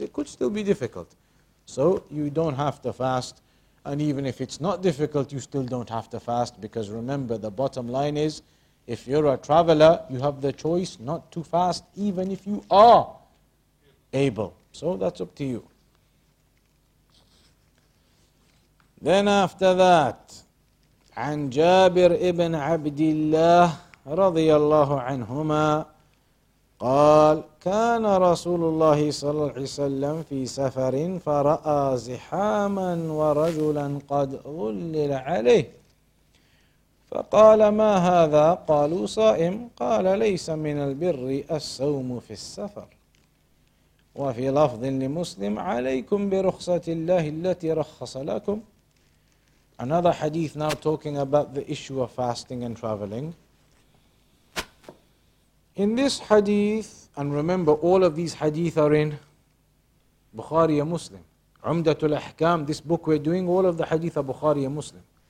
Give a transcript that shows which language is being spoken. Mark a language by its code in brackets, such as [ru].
[en] It could still be difficult. So you don't have to fast. And even if it's not difficult, you still don't have to fast. Because remember, the bottom line is, if you're a traveler, you have the choice not to fast, even if you are able. So that's up to you. Then after that, [ar] عن جابر ابن عبد الله رضي الله عنهما قال كان رسول الله صلى الله عليه وسلم في سفر فرأى زحاما ورجلا قد ظلل عليه فقال ما هذا قالوا صائم قال ليس من البر الصوم في السفر وفي لفظ لمسلم عليكم برخصة الله التي رخص لكم. [en] Another hadith now talking about the issue of fasting and traveling. In this hadith, and remember all of these hadith are in Bukhari and Muslim. Umdatul Ahkam, this book we're doing, all of the hadith are Bukhari and Muslim.